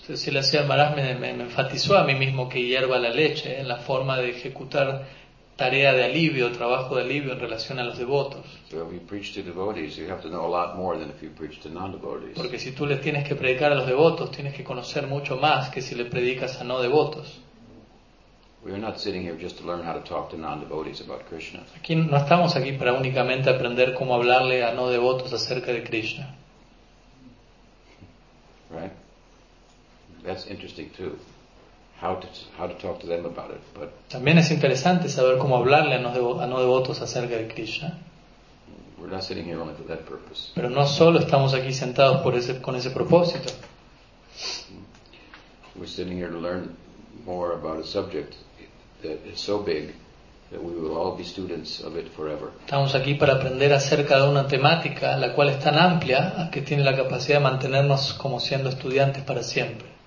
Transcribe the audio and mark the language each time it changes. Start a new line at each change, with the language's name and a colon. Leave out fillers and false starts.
Spanish: Sila Maharaj me enfatizó a mí mismo que hierva la leche en la forma de ejecutar tarea de alivio, trabajo de alivio en relación a los devotos.
English: So if you preach to devotees, you have to know a lot more than if you preach to non-devotees.
Spanish: Porque si tú les tienes que predicar a los devotos, tienes que conocer mucho más que si le predicas a no devotos.
English: We are not sitting here just to learn how to talk to non-devotees about Krishna.
Spanish: Aquí no estamos aquí para únicamente aprender cómo hablarle a no devotos acerca de Krishna.
English: Right? That's interesting too. How to talk to them about it. But
Spanish: también es interesante saber cómo hablarle a no devotos acerca de Krishna.
English: We're not sitting here only for that purpose.
Spanish: Pero no solo estamos aquí sentados con ese propósito.
English: We're sitting here to learn more about a subject that is so big that we will all be students of it forever.
Spanish: Estamos aquí para aprender acerca de una temática la cual es tan amplia que tiene la capacidad de mantenernos como siendo estudiantes para siempre.